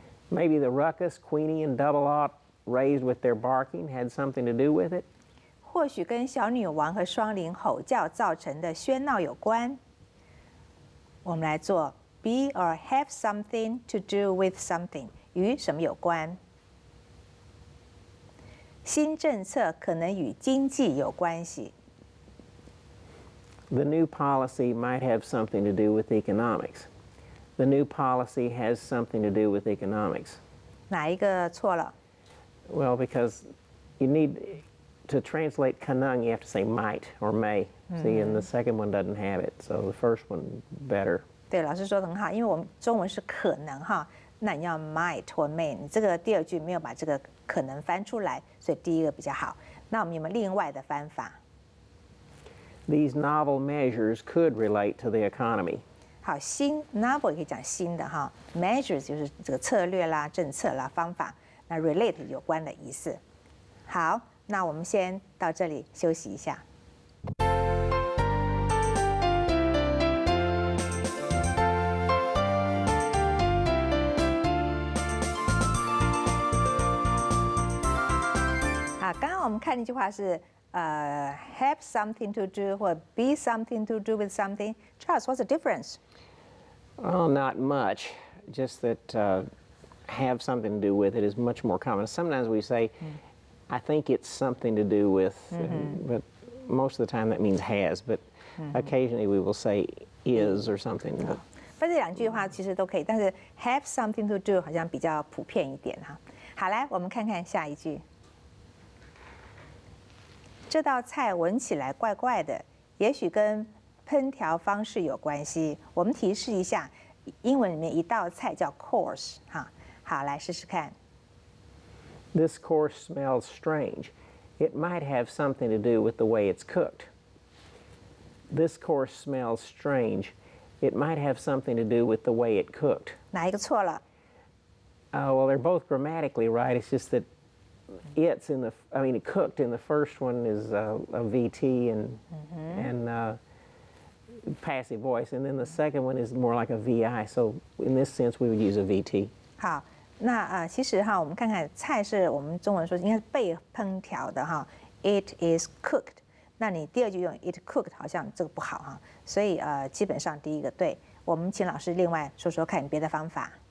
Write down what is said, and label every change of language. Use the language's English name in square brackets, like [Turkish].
[English] Maybe the ruckus Queenie and Double Ought raised with their barking had something to do with it. [Chinese] 或许跟小女王和双灵吼叫造成的喧闹有关。我们来做 [English] be or have something to do with something [Chinese] 与什么有关？新政策可能与经济有关系。 [English] The new policy might have something to do with economics. The new policy has something to do with economics. [Chinese] 哪一个错了？ [English] Well, because you need to translate [Chinese] 可能 [English] you have to say might or may.、See, and the second one doesn't have it, so the first one better. [Chinese] 对，老师说得很好，因为我们中文是可能哈，那你要 [English] might or may， [Chinese] 你这个第二句没有把这个可能翻出来，所以第一个比较好。那我们有没有另外的翻法？ [English] These novel measures could relate to the economy. [Chinese] 好，新 novel 也可以讲新的哈 ，measures 就是这个策略啦、政策啦、方法，那 relate 有关的意思。好，那我们先到这里休息一下。好，刚刚我们看那句话是 [English] have something to do [Chinese] 或 [English] be something to do with something。 Charles, what's the difference? Well, not much. Just that have something to do with it is much more common. Sometimes we say, I think it's something to do with, but most of the time that means has. But occasionally we will say is or something. [Chinese] 分这两句话其实都可以，但是 [English] have something to do [Chinese] 好像比较普遍一点哈。好，来我们看看下一句。这道菜闻起来怪怪的，也许跟烹调方式有关系。我们提示一下，英文里面一道菜叫 course， 哈，好，来试试看。 [English] This course smells strange. It might have something to do with the way it's cooked. This course smells strange. It might have something to do with the way it cooked. [Chinese] 哪一个错了？ [English] Well, they're both grammatically right. It's just that it's in the, I mean, cooked in the first one is a VT and、and. Passive voice, and then the second one is more like a VI. So in this sense, we would use a VT. [Chinese] 好，那其实哈，我们看看菜是我们中文说应该是被烹调的哈 ， [English] it is cooked。 [Chinese] 那你第二句用 [English] it cooked [Chinese] 好像这个不好哈，所以基本上第一个对。我们请老师另外说说看别的方法。